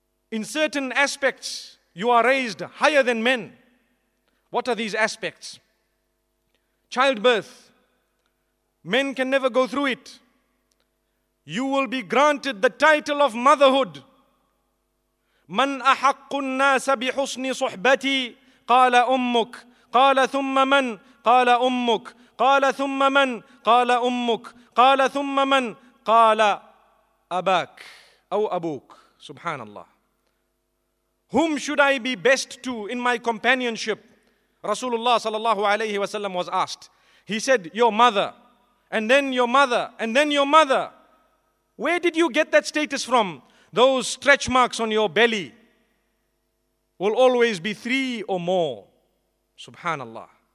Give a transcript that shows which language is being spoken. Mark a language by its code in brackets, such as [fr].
[en] In certain aspects, you are raised higher than men. What are these aspects? Childbirth. Men can never go through it. You will be granted the title of motherhood. [ar] مَنْ أَحَقُّ النَّاسَ بِحُسْنِ صُحْبَتِي قَالَ أُمُّكَ قَالَ ثُمَّ مَنْ قَالَ أُمُّكَ قَالَ ثُمَّ مَنْ قَالَ أُمُّكَ قَالَ ثُمَّ مَنْ قَالَ أَبَاكَ أَوْ أَبُوكَ سبحان الله. [en] Whom should I be best to in my companionship? Rasulullah sallallahu alayhi wa sallam was asked. He said, your mother, and then your mother, and then your mother. Where did you get that status from? Those stretch marks on your belly will always be three or more. Subhanallah.